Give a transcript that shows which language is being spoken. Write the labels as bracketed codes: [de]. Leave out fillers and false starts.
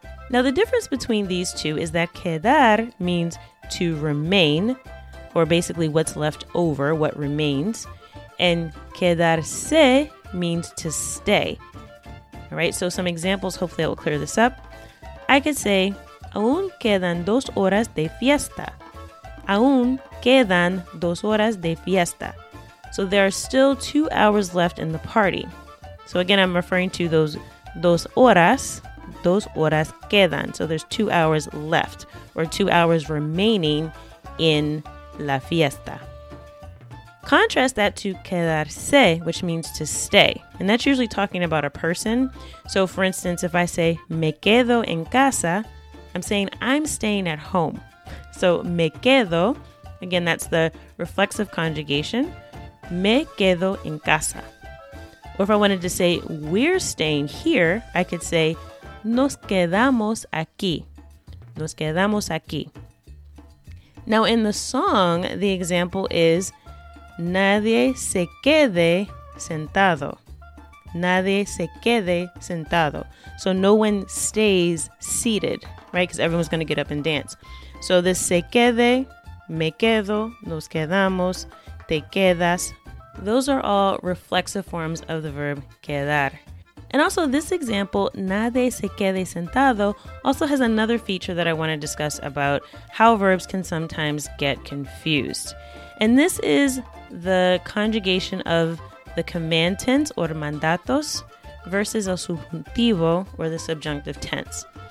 [en] Now the difference between these two is that quedar means to remain, or basically what's left over, what remains, and quedarse means to stay. All right, so some examples, hopefully that will clear this up. I could say, [es] aún quedan dos horas de fiesta. Aún quedan dos horas de fiesta. [en] So there are still 2 hours left in the party. So again, I'm referring to those [es] dos horas quedan. [en] So there's 2 hours left or 2 hours remaining in [es] la fiesta. [en] Contrast that to quedarse, which means to stay. And that's usually talking about a person. So for instance, if I say [es] me quedo en casa, [en] I'm saying I'm staying at home. So [es] me quedo, [en] again, that's the reflexive conjugation. [es] Me quedo en casa. [en] Or if I wanted to say we're staying here, I could say [es] nos quedamos aquí. Nos quedamos aquí. [en] Now in the song, the example is [es] nadie se quede sentado. Nadie se quede sentado. [en] So no one stays seated, right? Because everyone's going to get up and dance. So this [es] se quede, me quedo, nos quedamos, te quedas. [en] Those are all reflexive forms of the verb quedar. And also this example, [es] nadie se quede sentado, [en] also has another feature that I want to discuss about how verbs can sometimes get confused. And this is the conjugation of the command tense or mandatos versus [es] el subjuntivo [en] or the subjunctive tense.